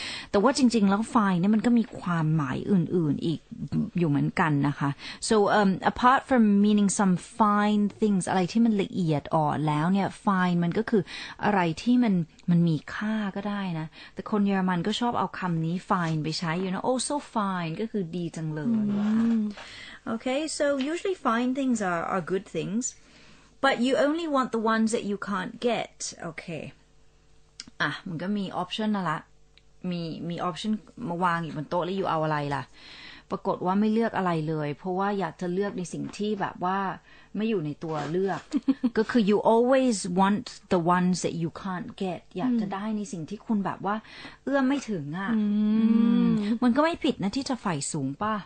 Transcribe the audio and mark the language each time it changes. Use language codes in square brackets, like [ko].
[th] แต่ว่าจริงๆแล้วไฟล์เนี่ยมันก็มีความหมายอื่นๆอีกอยู่เหมือนกันนะคะ [en] so apart from meaning some fine things [th] อะไรที่มันละเอียดอ่อนแล้วเนี่ยไฟล์มันก็คืออะไรที่มันมีค่าก็ได้นะแต่คนเยอรมันก็ชอบเอาคำนี้ fine ไปใช้อยู่นะ [en] oh so fine [th] ก็คือดีจังเลย [en] okay so usually fine things are good things But you only want the ones that you can't get. Okay. [th] มันก็มีออปชั่นนั่นแหละมีออปชั่นมาวางอยู่บนโต๊ะแล้วอยู่เอาอะไรล่ะปรากฏว่าไม่เลือกอะไรเลยเพราะว่าอยากจะเลือกในสิ่งที่แบบว่าไม่อยู่ในตัวเลือก ก็คือ [en] you always want the ones that you can't get [th] อยากจะได้ในสิ่งที่คุณแบบว่าเอื้อมไม่ถึงอ่ะ มันก็ไม่ผิดนะที่จะใฝ่สูงป่ะ